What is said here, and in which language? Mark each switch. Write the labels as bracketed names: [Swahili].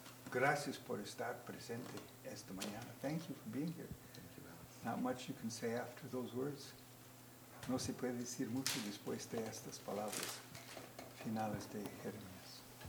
[Spanish] Gracias por estar presente esta mañana. [English] Thank you for being here. Thank you, Alex. Not much you can say after those words. [Spanish] No se puede decir mucho después de estas palabras finales de Jeremías.